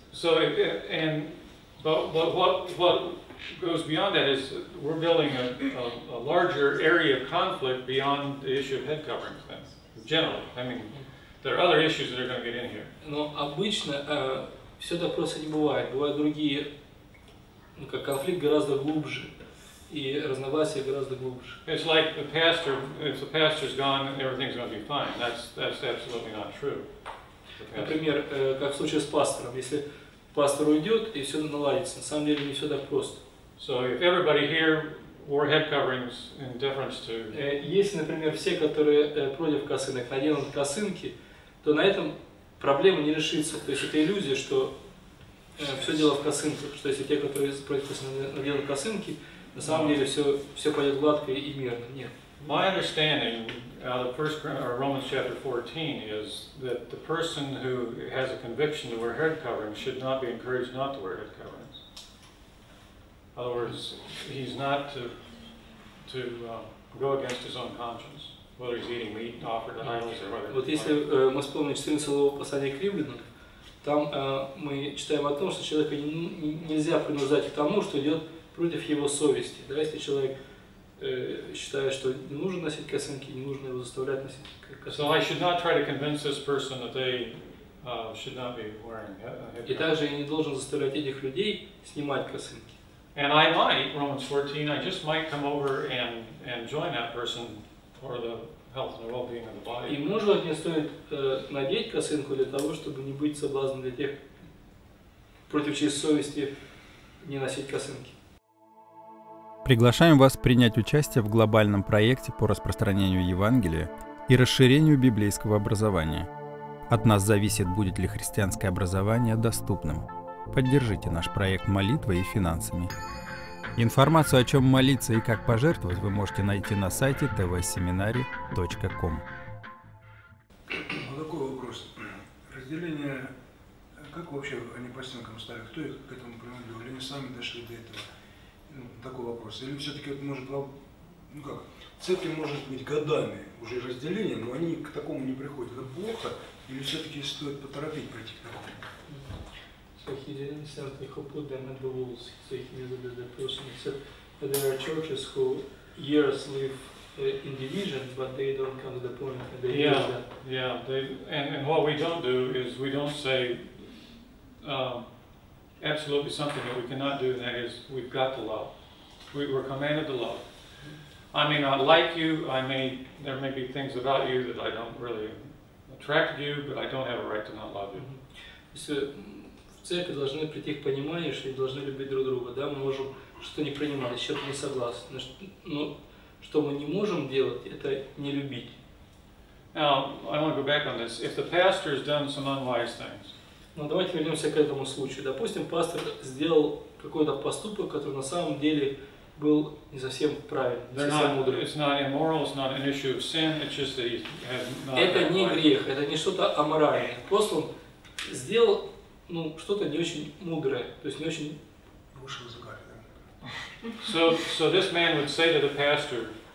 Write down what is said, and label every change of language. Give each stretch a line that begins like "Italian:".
English: So what goes beyond that is we're building a larger area of conflict beyond the issue of head coverings. That's general. I mean, there are other issues that are going to get in here.
Russian: Но обычно все так просто не бывает. Бывают другие, ну как конфликт гораздо глубже. И разногласия гораздо глубже.
English: It's like the pastor, if the pastor's gone, everything's going to be fine. That's absolutely not true.
Russian: Например, как в случае с пастором. Если пастор уйдет, и все наладится. На самом деле, не все так просто.
English: So if everybody here wore head coverings in deference to...
Russian: Если, например, все, которые против косынок, наденут косынки, то на этом проблема не решится. То есть это иллюзия, что все дело в косынках. Что если те, которые против косынок, наденут косынки, на самом деле все пойдет гладко и мирно. Нет.
English: My understanding out of Romans chapter 14 is that the person who has a conviction to wear head covering should not be encouraged not to wear head coverings. In other words, he's not to go against his own conscience, whether he's eating meat offered to idols or whether.
Russian: Вот если мы вспомним 14 главу послания к Римлянам, там мы читаем о том, что человека нельзя принуждать к тому, что идет против его совести. Да, если человек считает, что не нужно носить косынки, не нужно его заставлять носить косынки.
English: So I should not try to convince this person that they should not be wearing a headcount.
Russian: И также я не должен заставлять этих людей снимать косынки.
English: And I might, Romans 14, I just might come over and join that person for the health and well-being of the body.
Russian: И может быть, мне стоит надеть косынку для того, чтобы не быть соблазном для тех, против чьей совести не носить косынки. Приглашаем вас принять участие в глобальном проекте по распространению Евангелия и расширению библейского образования. От нас зависит, будет ли христианское образование доступным. Поддержите наш проект молитвой и финансами. Информацию, о чем молиться и как пожертвовать, вы можете найти на сайте tvseminary.com. Вот такой вопрос. Разделение, как вообще они по стенкам ставят? Кто их к этому принудил? Или они сами дошли до этого? Такой вопрос. Или все-таки может, ну как, церкви может быть годами уже разделение, но они к такому не приходят. Это плохо? Или все-таки стоит поторопить прийти к такому?
English: So he didn't start to put them at the walls. So he visited the person. He said that there are churches who years live individual, but they don't come to the point that they yeah, use that. Yeah, they, and what we don't do is we don't say absolutely something that we cannot do, and that is we've got to love. We're commanded to love. I may not like you, there may be things about you that I don't really attract you, but I don't have a right to not love you.
Russian: Все в церкви должны прийти к пониманию, что должны любить друг друга. Да, мы можем что-то не принимать, с чем-то не согласны. Но что мы не можем делать, это не любить.
English: Now, I want to go back on this. If the pastor has done some unwise things.
Russian: Но давайте вернемся к этому случаю. Допустим, пастор сделал какой-то поступок, который на самом деле был не совсем правильный, не совсем мудрый.
English: It's not immoral, it's not an issue of sin, it's just that he has not
Russian: это не грех, это не что-то аморальное. Просто он сделал ну, что-то не очень мудрое, то есть не очень вышел из угара.
English: So this man would say to the pastor,